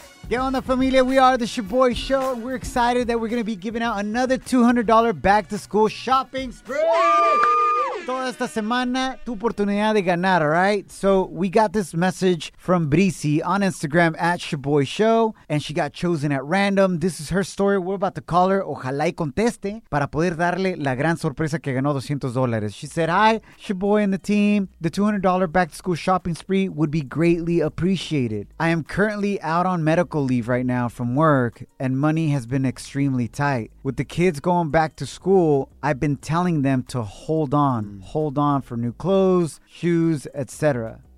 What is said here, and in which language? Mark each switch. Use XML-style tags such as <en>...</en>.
<en>Yo, on the familia, we are the Shaboy Show. We're excited that we're going to be giving out another $200 back-to-school shopping spree.</en> <es>Toda esta semana, tu oportunidad de ganar,</es> <en>all right? So we got this message from Brisi on Instagram at Shaboy Show, and she got chosen at random. This is her story. We're about to call her.</en> <es>Ojalá y conteste para poder darle la gran sorpresa que ganó $200.</es> <en>She said, hi, Shaboy and the team. The $200 back-to-school shopping spree would be greatly appreciated. I am currently out on medical leave right now from work, and money has been extremely tight. With the kids going back to school, I've been telling them to hold on for new clothes, shoes, etc.</en>